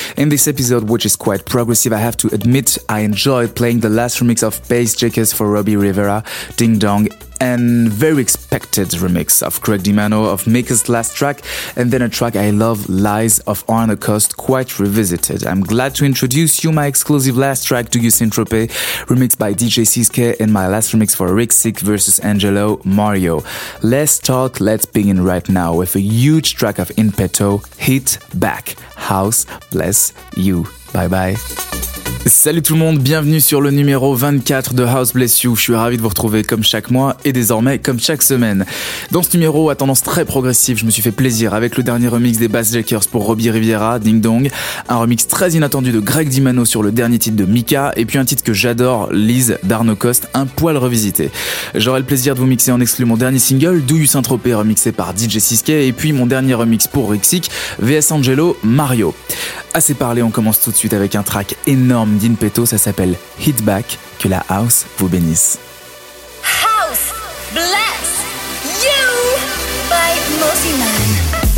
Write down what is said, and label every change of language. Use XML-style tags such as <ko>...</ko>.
<en>In this episode, which is quite progressive, I have to admit I enjoyed playing the last remix of Bass Jakers for Robbie Rivera, Ding Dong, and very expected remix of Craig DiMano of Mika's last track, and then a track I love, Lies, of Arnaud Coste, quite revisited. I'm glad to introduce you my exclusive last track, Do You Saint-Tropez, remixed by DJ Siske, and my last remix for Rick Sick versus Angelo Mario. Let's talk, let's begin right now with a huge track of In Petto, Hit Back. House Bless You. Bye bye.</en> <fr>Salut tout le monde, bienvenue sur le numéro 24 de House Bless You. Je suis ravi de vous retrouver comme chaque mois et désormais comme chaque semaine. Dans ce numéro à tendance très progressive, je me suis fait plaisir avec le dernier remix des Bass Jakers pour Robbie Rivera, Ding Dong, un remix très inattendu de Greg DiMano sur le dernier titre de Mika, et puis un titre que j'adore, Lise, d'Arnaud Coste, un poil revisité. J'aurai le plaisir de vous mixer en exclu mon dernier single, Do You Saint-Tropez, remixé par DJ Siske, et puis mon dernier remix pour Rick Sick, VS Angelo, Mario. Assez parlé, on commence tout de suite avec un track énorme d'In Petto, ça s'appelle Hit Back. Que la house vous bénisse.</fr> <en>House bless you by Moissanin.</en>